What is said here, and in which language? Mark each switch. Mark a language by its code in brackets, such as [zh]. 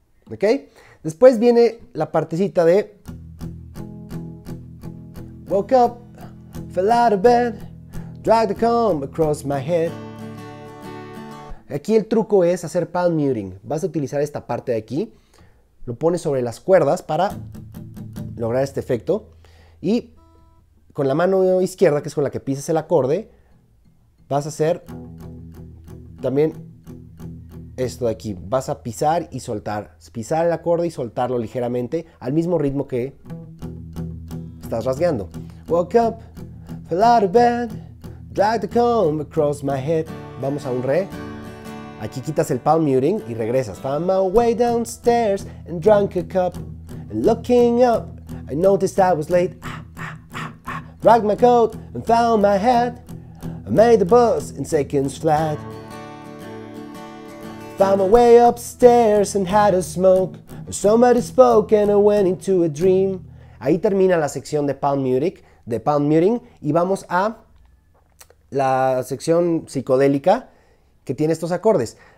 [es] Ok, después viene la partecita de [en] woke up, fell out of bed, dragged a comb across my head. [es] Aquí el truco es hacer palm muting. Vas a utilizar esta parte de aquí. Lo pones sobre las cuerdas para lograr este efecto. Y con la mano izquierda, que es con la que pisas el acorde, vas a hacer también esto de aquí. Vas a pisar y soltar. Pisar el acorde y soltarlo ligeramente al mismo ritmo que estás rasgueando. [en] Woke up, fell out of bed, dragged the comb across my head. [es] Vamos a un re. Aquí quitas el palm muting y regresas. [en] Found my way downstairs and drank a cup. And looking up, I noticed I was late. Dragged my coat and found my hat. I made the bus in seconds flat. Found my way upstairs and had a smoke. Somebody spoke and I went into a dream. [es] Ahí termina la sección de palm muting, y vamos a la sección psicodélica, que tiene estos acordes.